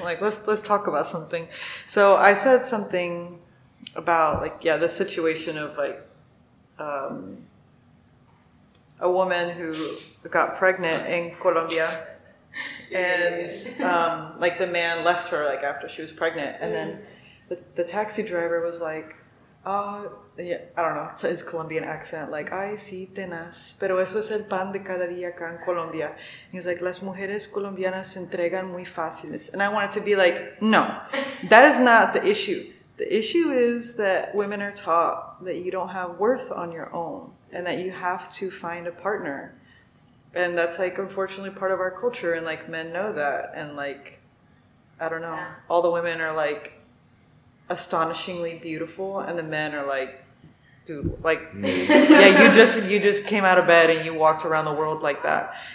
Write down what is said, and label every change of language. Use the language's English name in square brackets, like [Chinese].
[English] Like, let's talk about something. So I said something about, like, yeah, the situation of, like, a woman who got pregnant in Colombia, and like the man left her like after she was pregnant, and then the taxi driver was like, yeah, I don't know, his Colombian accent, like, [Spanish] ay, sí, tenaz, pero eso es el pan de cada día acá en Colombia. [English] And he was like, [Spanish] las mujeres colombianas se entregan muy fácil. [English] And I wanted to be like, no, that is not the issue. The issue is that women are taught that you don't have worth on your own and that you have to find a partner. And that's, like, unfortunately part of our culture, and, like, men know that. And, like, I don't know. Yeah. All the women are, like, astonishingly beautiful, and the men are, like, dude, like, yeah, you just came out of bed and you walked around the world like that.